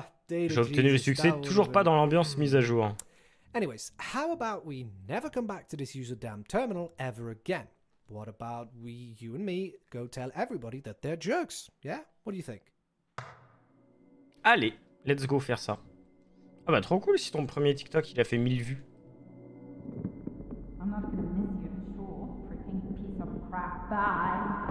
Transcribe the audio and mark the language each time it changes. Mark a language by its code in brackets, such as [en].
[fr] J'ai obtenu le succès, toujours pas dans l'ambiance mise à jour. [en] Anyways, how about we never come back to this user damn terminal ever again? What about we, you and me, go tell everybody that they're jerks? Yeah? What do you think? [fr] Allez, let's go faire ça. Ah bah trop cool si ton premier TikTok il a fait 1000 vues. [en] I'm not gonna miss you, sure, freaking piece of crap, bye.